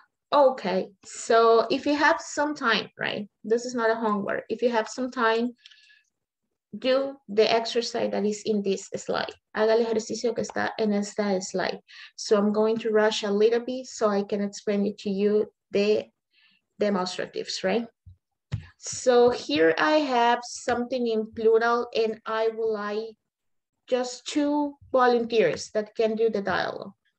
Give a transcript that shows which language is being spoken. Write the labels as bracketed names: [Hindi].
[English] Okay, so if you have some time, right? This is not a homework. If you have some time, do the exercise that is in this slide. [Spanish] Haga el ejercicio que está en esta slide. [English] So I'm going to rush a little bit so I can explain it to you, the demonstratives, right? So here I have something in plural and I would like just two volunteers that can do the dialogue.